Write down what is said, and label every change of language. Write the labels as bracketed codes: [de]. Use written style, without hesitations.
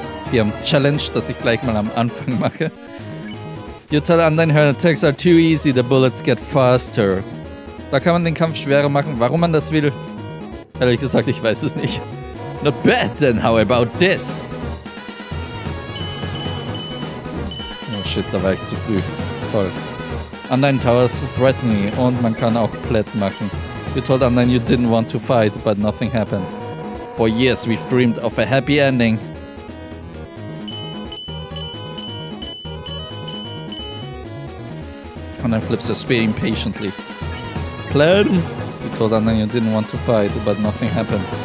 [de] Wir haben Challenge, das ich gleich mal am Anfang mache. [en] You tell Undyne her attacks are too easy, the bullets get faster. [de] Da kann man den Kampf schwerer machen. Warum man das will, ehrlich gesagt, ich weiß es nicht. [en] Not bad then, how about this? Oh shit, [de] da war ich zu früh. Toll. [en] Undyne towers threatening [de] und man kann auch platt machen. [en] You told Undyne you didn't want to fight, but nothing happened. For years we've dreamed of a happy ending. Undyne flips her spear impatiently. Plan! You told Undyne you didn't want to fight, but nothing happened.